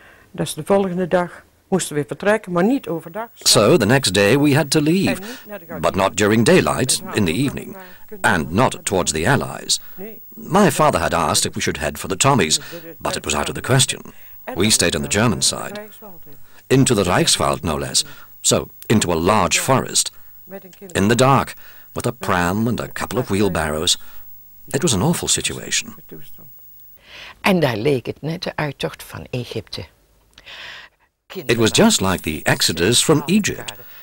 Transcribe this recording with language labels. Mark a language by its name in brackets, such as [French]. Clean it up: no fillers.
[Dutch] Dus de volgende dag moesten we vertrekken, maar niet overdag. [English] So the next day we had to leave, but not during daylight, in the evening, and not towards the Allies. My father had asked if we should head for the Tommies, but it was out of the question. We stayed on the German side, into the Reichswald no less, so into a large forest, in the dark, with a pram and a couple of wheelbarrows. It was an awful situation. [Dutch] En daar leek het net de uittocht van Egypte. [English] It was just like the exodus from Egypt.